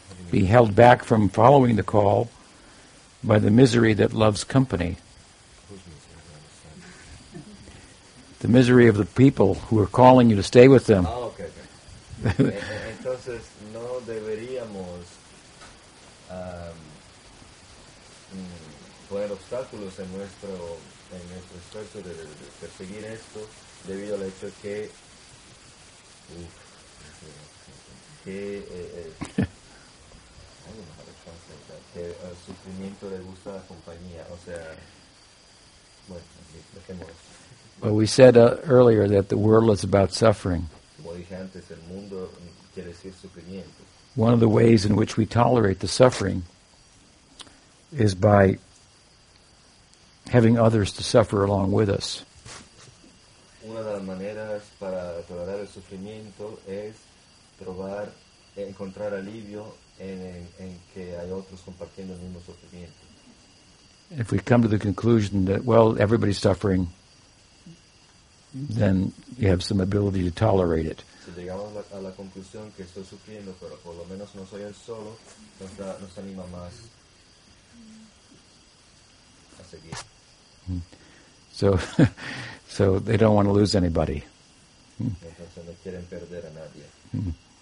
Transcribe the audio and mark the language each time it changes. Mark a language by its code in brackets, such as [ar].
[en] Be held back from following the call by the misery that loves company. The misery of the people who are calling you to stay with them. [es] Entonces, no deberíamos poner obstáculos en nuestro esfuerzo de perseguir esto debido al hecho que el sufrimiento le gusta la compañía, o sea, bueno, dejemos. [en] Well, we said earlier that the world is about suffering. [es] Como dije antes, el mundo quiere decir sufrimiento. [en] One of the ways in which we tolerate the suffering is by having others to suffer along with us. [es] Una de las maneras para tolerar el sufrimiento es probar, encontrar alivio en que hay otros compartiendo el mismo sufrimiento. [en] If we come to the conclusion that, well, everybody's suffering, then you have some ability to tolerate it. [es] Si llegamos a la conclusión que estoy sufriendo, pero por lo menos no soy el solo, nos anima más a seguir. [en] So they don't want to lose anybody. [es] Entonces no quieren perder a nadie.